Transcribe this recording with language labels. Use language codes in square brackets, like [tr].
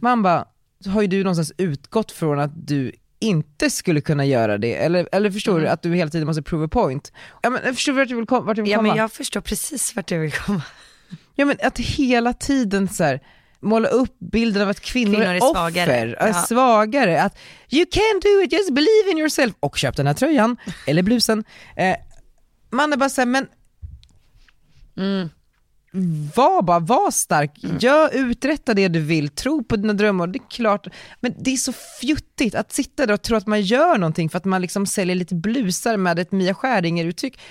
[sv] Man bara, har ju du någonstans utgått från att du inte skulle kunna göra det? Eller förstår du att du hela tiden måste [en] prove a point? [sv] Ja, men förstår du vart du vill komma? Ja, men jag förstår precis vart du vill komma. Ja, men att hela tiden så här måla upp bilden av att kvinnor är svagare. Offer, är svagare. Att [en] you can do it, just believe in yourself. [sv] Och köp den här tröjan, eller blusen. Man är bara såhär, men var stark. Gör, uträtta det du vill. Tro på dina drömmar, det är klart. Men det är så fjuttigt att sitta där och tro att man gör någonting för att man liksom säljer lite blusar med ett Mia Skäringer uttryck.